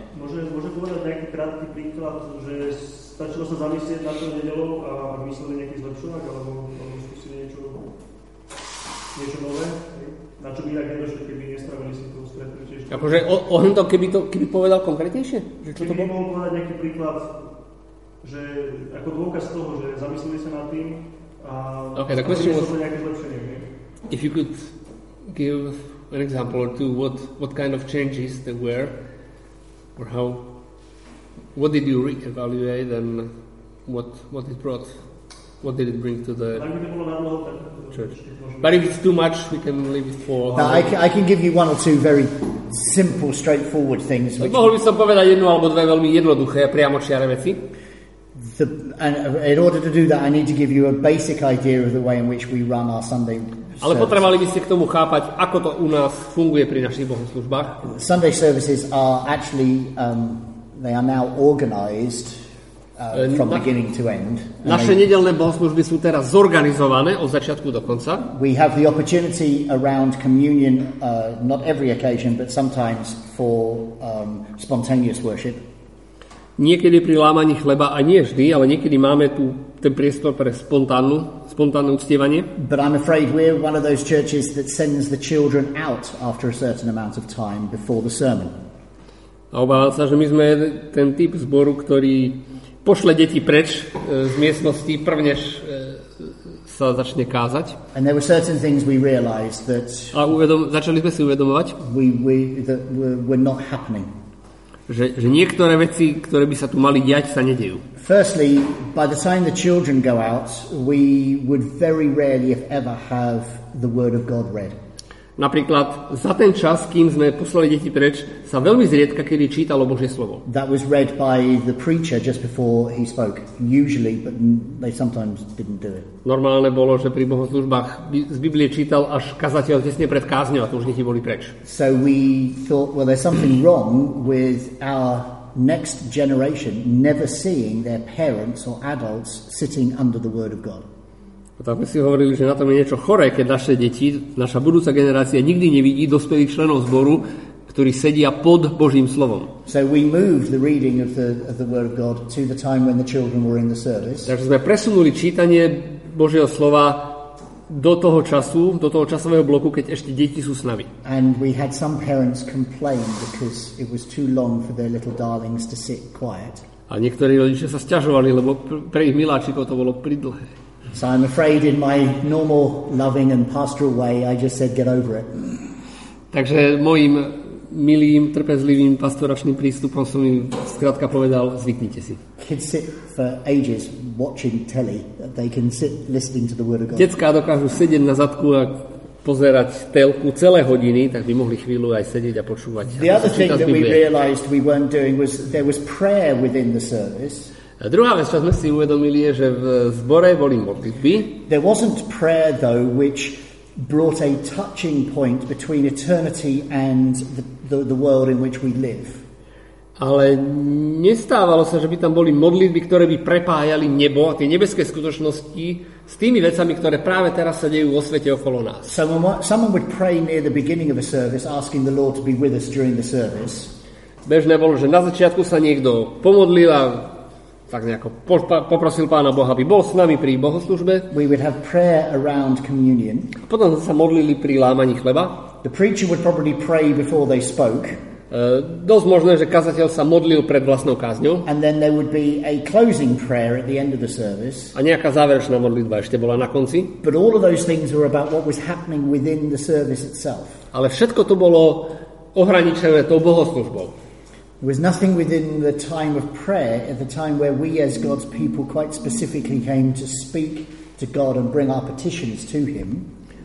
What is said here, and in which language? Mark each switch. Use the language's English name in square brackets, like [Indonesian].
[Slovak] Môže povedať nejaký krátky príklad, že stačilo sa zamyslieť na to nedeľo a myslíme nejaký zlepšovák, alebo skúsiť niečo nové? Na čo by tak nedošli, keby nestravili si toho stretnutie? Akože keby povedal konkrétnejšie? Že čo keby to bol? Mohol povedať nejaký príklad, že ako dôkaz toho, že zamyslili sa nad tým a [English] okay, the question was, if you could give an example or two, what kind of changes there were, or how, what did you re-evaluate and what it brought, what did it bring to the church? But if it's too much, we can leave it for... No, I can give you one or two very simple, straightforward things. [Slovak] Mohol by som povedať jednu alebo dve veľmi jednoduché, priamočiare veci. [English] And in order to do that, I need to give you a basic idea of the way in which we run our Sunday services. [Slovak] Ale potrebovali by ste k tomu chápať, ako to u nás funguje pri našich bohoslužbách. [English] Sunday services are actually, they are now organized from beginning to end. [Slovak] Naše nedeľné bohoslužby sú teraz zorganizované od začiatku do konca. [English] We have the opportunity around communion, not every occasion, but sometimes for spontaneous worship. [Slovak] Niekedy pri lámaní chleba a nie vždy, ale niekedy máme tu ten priestor pre spontánne uctievanie. [English] But I'm afraid we're one of those churches that sends the children out after a certain amount of time before the sermon. [Slovak] A obávam sa, že my sme ten typ zboru, ktorý pošle deti preč z miestnosti, prvnež sa začne kázať. [English] And there were certain things we realized that [Slovak] začali sme si uvedomovať, [English] that were not happening. [Slovak] Že niektoré veci, ktoré by sa tu mali diať, sa nedejú. [English] Firstly, by the time the children go out, we would very rarely if ever have the word of God read. [Slovak] Napríklad, za ten čas, kým sme poslali deti preč, sa veľmi zriedka kedy čítalo Božie slovo. [English] That was read by the preacher just before he spoke. Usually, but they sometimes didn't do it. [Slovak] Normálne bolo, že pri bohoslužbách z Biblie čítal až kazateľ tesne pred kázňou, a to už deti boli preč. [English] So we thought, well, there's something wrong with our next generation never seeing their parents or adults sitting under the word of God. [Slovak] A tak si hovorili, že na tom je niečo choré, keď naše deti, naša budúca generácia nikdy nevidí dospelých členov zboru, ktorí sedia pod Božím slovom. [English] So we moved the reading of the word of God to the time when the children were in the service. [Slovak] Takže sme presunuli čítanie Božieho slova do toho času, do toho časového bloku, keď ešte deti sú s nami. [English] And we had some parents complain because it was too long for their little darlings to sit quiet. [Slovak] A niektorí rodičia sa sťažovali, lebo pre ich miláčikov to bolo pridlhé. [English] So I'm afraid in my normal loving and pastoral way I just said get over it. [Slovak] Takže mojím milým trpezlivým pastoračným prístupom som im skrátka povedal zvyknite si. [English] Kids sit for ages watching telly. They can sit listening to the word of God. [Slovak] Detská dokážu sedieť na zadku a pozerať telku celé hodiny, tak by mohli chvíľu aj sedieť a počúvať. [English] The other thing that we realized we weren't doing was there was prayer within the service. [Slovak] A druhá vec, čo sme si uvedomili, je, že v zbore boli modlitby. [English] There wasn't prayer, though, which brought a touching point between eternity and the world in which we live. [Slovak] Ale nestávalo sa, že by tam boli modlitby, ktoré by prepájali nebo a tie nebeské skutočnosti s tými vecami, ktoré práve teraz sa dejú vo svete okolo nás. [English] Someone would pray near the beginning of a service asking the Lord to be with us during the service. [Slovak] Bežné bolo, že na začiatku sa niekto pomodlil a tak nejako poprosil Pána Boha, aby bol s nami pri bohoslužbe. [English] We would have prayer around communion. [Slovak] Potom sa modlili pri lámaní chleba. [English] The preacher would probably pray before they spoke. [Slovak] Dosť možné, že kazateľ sa modlil pred vlastnou kázňou. [English] And then there would be a closing prayer at the end of the service. [Slovak] A nejaká záverečná modlitba ešte bola na konci. [English] But all of those things were about what was happening within the service itself. [Slovak] Ale všetko to bolo ohraničené tou bohoslužbou. [English] There was nothing within the time of prayer at the time where we as God's people quite specifically came to speak to God and bring our petitions to him.